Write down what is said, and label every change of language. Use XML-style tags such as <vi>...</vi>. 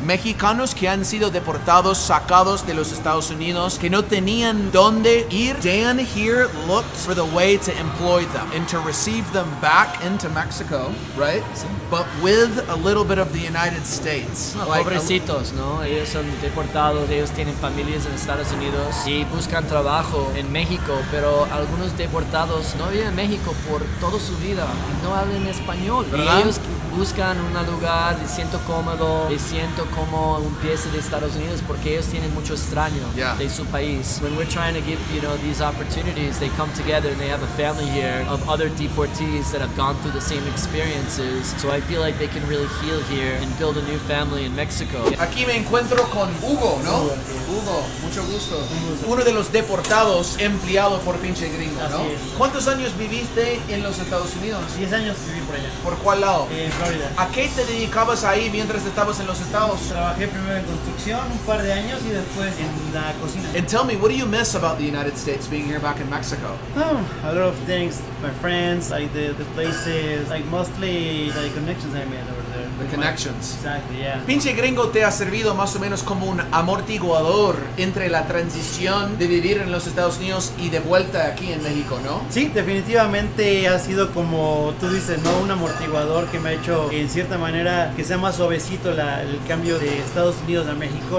<es>Mexicanos que han sido deportados, sacados de los Estados Unidos, que no tenían dónde ir.</es> <en>Dan here looked for the way to employ them and to receive them back into Mexico, right?</en> <es>Sí.</es> <en>But with a little bit of the United States. No, like pobrecitos.</en> <es>No, ellos son deportados, ellos tienen familias en Estados Unidos y buscan trabajo en México, pero algunos deportados no viven en México por toda su vida y no hablan español. ¿Verdad? Y ellos buscan un lugar, me siento cómodo, me siento como un pieza de Estados Unidos, porque ellos tienen mucho extraño de su país.</es> <en>When we're trying to give, you know, these opportunities, they come together and they have a family here of other deportees that have gone through the same experiences. So I feel like they can really heal here and build a new family in Mexico.</en> <es>Aquí me encuentro con Hugo, ¿no? Hugo, mucho gusto. Uno de los deportados empleado por Pinche Gringo, ¿no? ¿Cuántos años viviste en los Estados Unidos? 10 años viví por allá. ¿Por cuál lado? En Florida. ¿A qué te dedicabas ahí mientras estabas en los Estados? Trabajé primero en construcción un par de años y después en la cocina.</es> <en>And tell me, what do you miss about the United States being here back in Mexico? Oh, a lot of things. My friends, like the places, like mostly the connections I made over there. The connections. Exactly, yeah.</en> <es>Pinche Gringo te ha servido más o menos como un amortiguador entre la transición de vivir en los Estados Unidos y de vuelta aquí en México, ¿no? Sí, definitivamente ha sido como tú dices, ¿no? Un amortiguador que me ha hecho, en cierta manera, que sea más suavecito el cambio de Estados Unidos a México.</es>